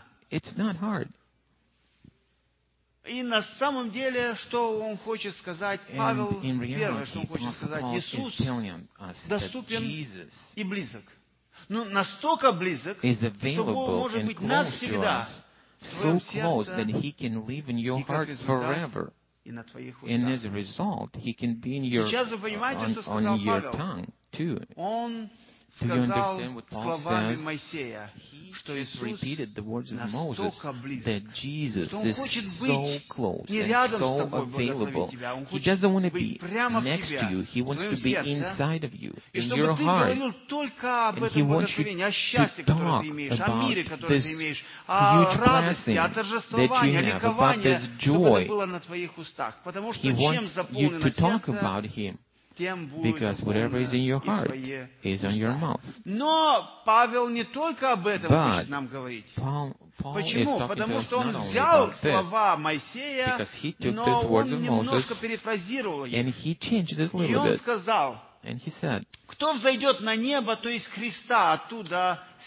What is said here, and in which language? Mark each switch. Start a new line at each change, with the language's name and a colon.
English: Hard. It's not hard.
Russian: И на самом деле, что он хочет сказать, Павел,
English: reality,
Russian: первое, что он хочет сказать, Иисус доступен
English: Jesus
Russian: и близок. Ну, настолько близок, что Бог может быть навсегда
English: so close that he can live in your heart forever. And as a result, he can be in your, on your tongue too.
Russian: сказал словами Моисея, что Иисус настолько близок, что Он хочет быть не рядом с тобой, благословить тебя, Он хочет быть прямо в тебе, в твоем сердце, и чтобы ты говорил только об этом благословении, о счастье, которое ты имеешь, о мире, которое ты имеешь, о радости, о торжествовании, о ликовании, чтобы это было на твоих устах, потому что чем заполнено сердце,
English: because whatever is in your heart is on your mouth.
Russian: Но Павел не только об этом хочет нам говорить. Почему? Потому что он взял слова Моисея, но он немножко перефразировал их. И он сказал, кто взойдет на небо, то есть Христа, оттуда